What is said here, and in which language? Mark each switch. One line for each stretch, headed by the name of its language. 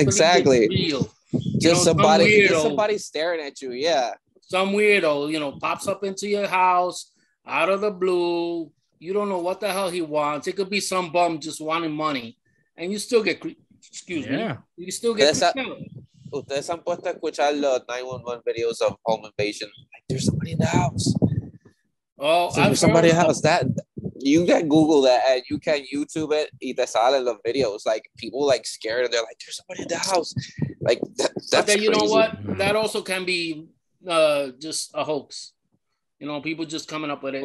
English: exactly. It's real. Somebody staring at you. Yeah. Some weirdo, pops up into your house out of the blue. You don't know what the hell he wants. It could be some bum just wanting money. And you still get creeped. Excuse me. You still get creeped out.
Spanish: ustedes han puesto a escuchar los 911 videos
English: of home invasion. Like, there's somebody in the house. Oh, there's somebody in the house. That you can Google that and you can YouTube it.
Spanish: Y te salen los videos.
English: Like, people like scared and they're like, there's somebody in the house. Like, that's crazy. You know what? That also can be just a hoax. You know, people just coming up with it.